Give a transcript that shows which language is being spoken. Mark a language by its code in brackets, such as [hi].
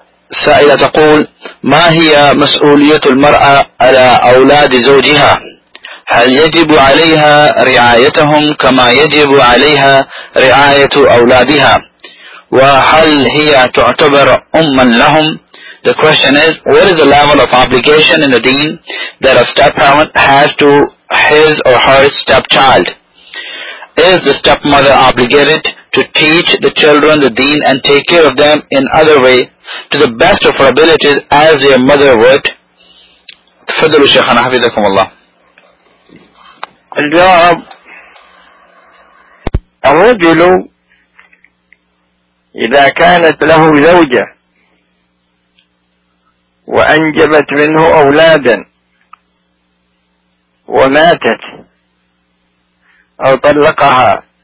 [ar] سائلة تقول ما هي مسؤولية المرأة على أولاد زوجها؟ هل يجب عليها رعايتهم كما يجب عليها رعاية أولادها؟ وهل هي تعتبر أما لهم؟ [en] The question is, what is the level of obligation in the deen that a stepparent has to his or her stepchild? Is the stepmother obligated to teach the children the deen and take care of them in other way to the best of her abilities as their mother would? [ar] تفضلوا شيخنا حفظكم الله. الجواب: الرجل إذا كانت له زوجة وأنجبت منه أولادا وماتت أو طلقها